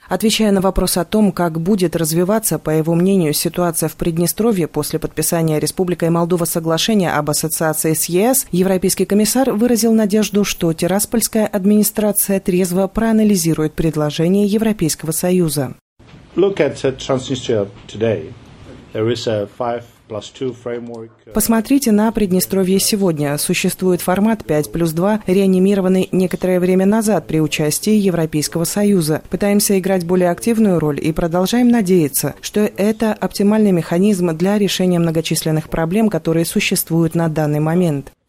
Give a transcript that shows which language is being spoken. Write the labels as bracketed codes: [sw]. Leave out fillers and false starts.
[ru] Отвечая на вопрос о том, как будет развиваться, по его мнению, ситуация в Приднестровье после подписания Республикой Молдова соглашения об ассоциации с ЕС, европейский комиссар выразил надежду, что Тираспольская администрация трезво проанализирует предложение Европейского Союза. [en] Look at Transnistria today. There is a [ru] Посмотрите на Приднестровье сегодня. Существует формат 5 плюс 2, реанимированный некоторое время назад при участии Европейского Союза. Пытаемся играть более активную роль и продолжаем надеяться, что это оптимальный механизм для решения многочисленных проблем, которые существуют на данный момент.